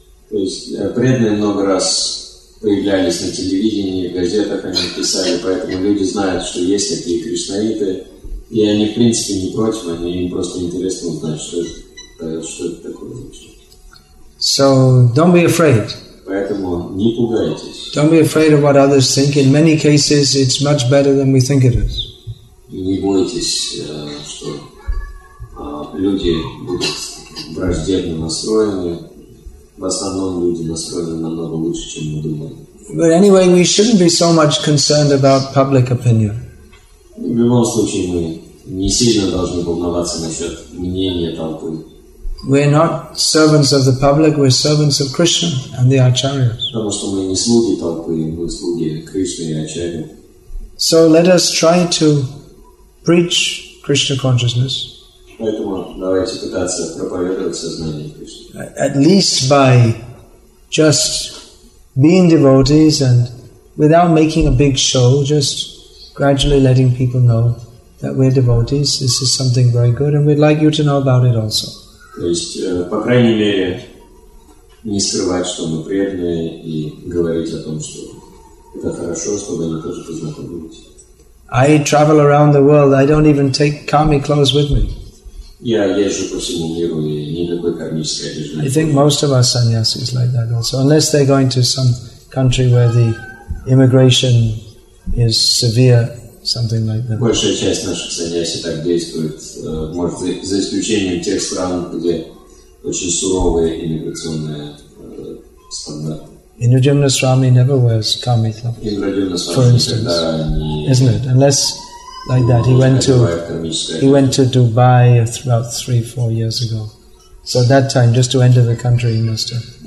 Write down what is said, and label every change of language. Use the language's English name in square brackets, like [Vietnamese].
[Russian] То есть преданные много раз появлялись на телевидении, в газетах они писали, поэтому люди знают, что есть такие кришнаиты. И они, в принципе, не против, они им просто интересно узнать, что это такое вообще. [English] So, don't be afraid. [Russian] Поэтому не пугайтесь. [English] Don't be afraid of what others think. In many cases, it's much better than we think it is. [Russian] Не бойтесь, что люди будут враждебно настроены. В основном люди настроены намного лучше, чем мы думаем. [English] But anyway, we shouldn't be so much concerned about public opinion. [Russian] В любом случае, мы не сильно должны волноваться насчет мнения толпы. [English] We're not servants of the public, we're servants of Krishna and the Acharyas. [Russian] Потому что мы не слуги толпы, мы слуги Кришны и Ачарьи. [English] So let us try to preach Krishna consciousness. [Russian] Поэтому давайте пытаться проповедовать сознание Кришны. [English] At least by just being devotees and without making a big show, just gradually letting people know that we're devotees. This is something very good, and we'd like you to know about it also. [Russian] То есть, по крайней мере, не скрывать, что мы преданные, и говорить о том, что это хорошо, чтобы они тоже познакомились. [English] I travel around the world. I don't even take kami clothes with me. [Russian] Я езжу по всему миру, и никакой кармической одежды. [English] I think most of our sannyasis like that also, unless they're going to some country where the immigration is severe, something like that. [Russian] Большая часть наших саньяси так действует, может, за исключением тех стран, где очень суровые иммиграционные стандарты. [English] Indrajyumna Swami never wears kami clothes, for instance, isn't it? Unless like that, he went to Dubai about 3-4 years ago. So that time, just to enter the country, he must have.